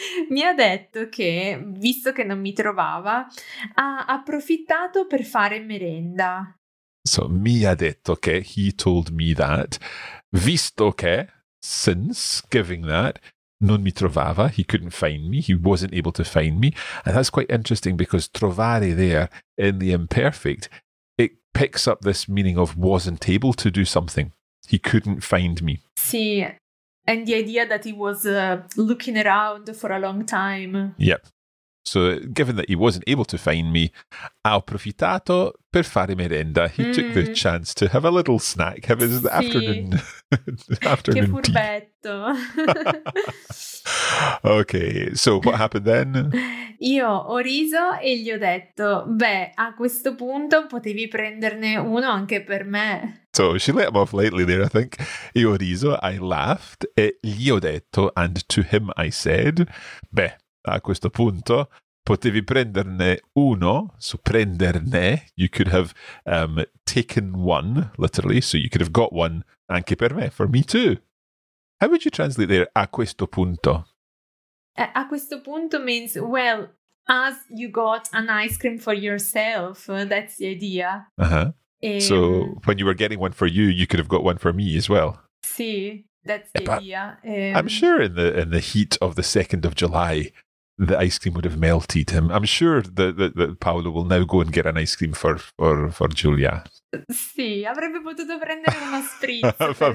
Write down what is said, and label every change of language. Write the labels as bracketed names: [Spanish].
[Italian] Mi ha detto che, visto che non mi trovava, ha approfittato per fare merenda. [English] So, [Italian] mi ha detto che, [English] he told me that, [Italian] visto che, [English] since giving that, [Italian] non mi trovava, [English] he couldn't find me, he wasn't able to find me. And that's quite interesting because trovare there in the imperfect, it picks up this meaning of wasn't able to do something. He couldn't find me. [Italian] Sì. [English] And the idea that he was looking around for a long time. Yep. So, given that he wasn't able to find me, [Italian] ha approfittato per fare merenda. [English] He took the chance to have a little snack, have his afternoon tea. [Italian] Che furbetto. [English] Okay, so what happened then? [Italian] Io ho riso e gli ho detto, beh, a questo punto potevi prenderne uno anche per me. [English] So she let him off lightly there, I think. [Italian] Io riso, [English] I laughed, [Italian] e gli ho detto, [English] and to him I said, [Italian] beh, a questo punto potevi prenderne uno, [English] so prenderne, you could have taken one, literally, so you could have got one [Italian] anche per me, [English] for me too. How would you translate there, [Italian] a questo punto? A questo punto [English] means, well, as you got an ice cream for yourself, that's the idea. Uh-huh. So when you were getting one for you, you could have got one for me as well. Sì, that's the idea. I'm sure in the heat of the 2nd of July, the ice cream would have melted him. I'm sure that Paolo will now go and get an ice cream for Giulia. [Italian] Sì, avrebbe potuto prendere una spritz per